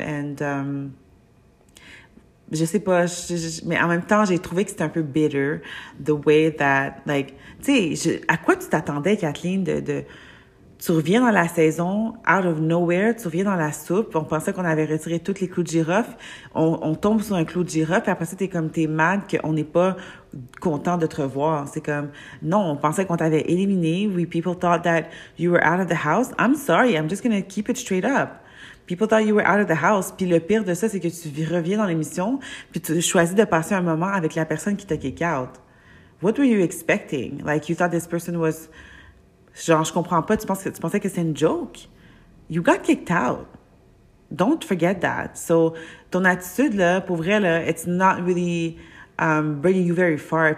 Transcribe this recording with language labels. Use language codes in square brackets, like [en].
[fr] And, je sais pas, mais en même temps, j'ai trouvé que c'était un peu bitter [en] the way that, like, [fr] t'sais, à quoi tu t'attendais, Kathleen, tu reviens dans la saison, [en] out of nowhere, [fr] tu reviens dans la soupe. On pensait qu'on avait retiré tous les clous de girofle. On tombe sur un clou de girofle, et après ça, t'es mad qu'on n'est pas content de te revoir. C'est comme, non, on pensait qu'on t'avait éliminé. [en] We people thought that you were out of the house. I'm sorry, I'm just gonna keep it straight up. People thought you were out of the house. [fr] Puis le pire de ça, c'est que tu reviens dans l'émission, puis tu choisis de passer un moment avec la personne qui t'a kick out. [en] What were you expecting? Like, you thought this person was... [fr] Genre, je comprends pas, tu pensais que c'est une joke? [en] You got kicked out. Don't forget that. So, [fr] ton attitude, là, pour vrai, là, [en] it's not really bringing you very far.